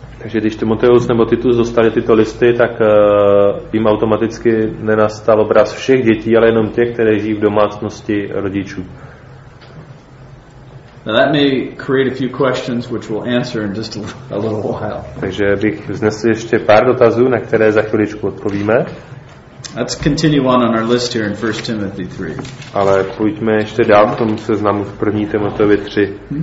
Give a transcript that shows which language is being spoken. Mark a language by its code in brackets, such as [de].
[cs] Takže když Timoteus nebo Titus dostali tyto listy, tak jim automaticky nenastal obraz všech dětí, ale jenom těch, které žijí v domácnosti rodičů. [en] Now that may create a few questions which we'll answer in just a little while. [cs] Takže bych vznesl ještě pár dotazů, na které za chviličku odpovíme. [en] Let's continue on our list here in 1 Timothy 3. [cs] Ale pojďme ještě dál k tomu seznamu v 1 Timoteovi 3.